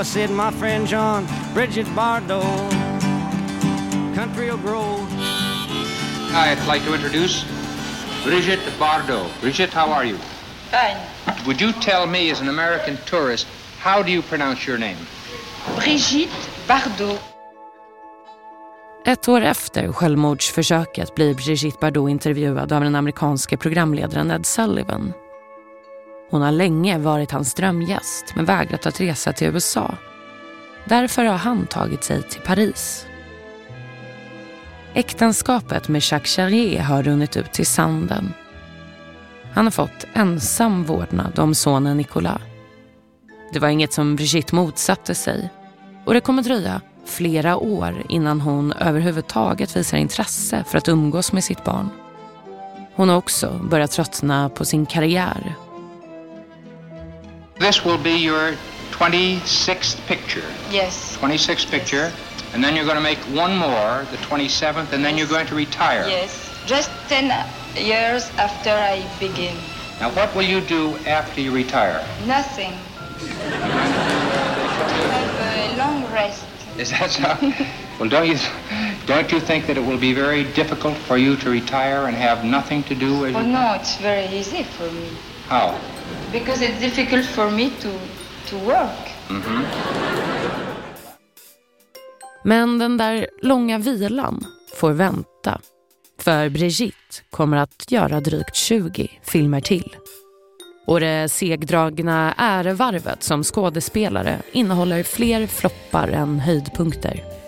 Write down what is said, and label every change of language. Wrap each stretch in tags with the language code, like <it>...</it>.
<en>I said, my friend John, Bridget Bardot. Country will grow. I'd like to introduce Bridget Bardot. Bridget, how are you? Fine. Would you tell me, as an American tourist, how do you pronounce your name? Bridget Bardot.</en> <sv>Ett år efter självmordsförsöket blir Brigitte Bardot intervjuad av den amerikanske programledaren Ed Sullivan. Hon har länge varit hans drömgäst men vägrat att resa till USA. Därför har han tagit sig till Paris. Äktenskapet med Jacques Charrier har runnit ut till sanden. Han har fått ensam vårdnad om sonen Nicolas. Det var inget som Brigitte motsatte sig och det kommer dröja flera år innan hon överhuvudtaget visar intresse för att umgås med sitt barn. Hon har också börjat tröttna på sin karriär.</sv> <en>This will be your 26th picture. Yes. 26th picture. Yes. And then you're going to make one more, the 27th, and then you're going to retire. Yes. Just 10 years after I begin. Now what will you do after you retire? Nothing. Have a long rest. Is that so? Well, don't you think that it will be very difficult for you to retire and have nothing to do? Well, you... no, it's very easy for me. How? Because it's difficult for me to work. Mm-hmm.</en> <sv>Men den där långa vilan får vänta. För Brigitte kommer att göra drygt 20 filmer till. Och det segdragna ärevarvet som skådespelare innehåller fler floppar än höjdpunkter.</sv>